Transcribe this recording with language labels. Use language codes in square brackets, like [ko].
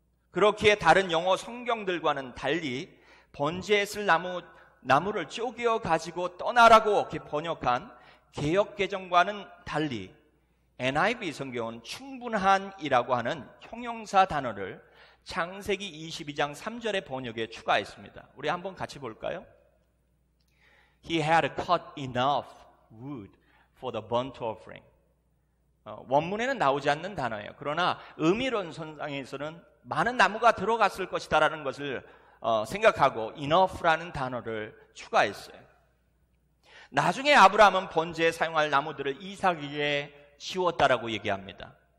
[ko] 그렇기에 다른 영어 성경들과는 달리 번제에 쓸 나무를 쪼개어 가지고 떠나라고 이렇게 번역한 개역개정과는 달리 NIV 성경은 충분한이라고 하는 형용사 단어를 창세기 22장 3절의 번역에 추가했습니다. 우리 한번 같이 볼까요? [en] He had cut enough wood for the burnt offering. [ko] 원문에는 나오지 않는 단어예요. 그러나 의미론상에서는 많은 나무가 들어갔을 것이다 라는 것을 생각하고 enough라는 단어를 추가했어요. 나중에 아브라함은 번제에 사용할 나무들을 이삭에게 지웠다라고 얘기합니다.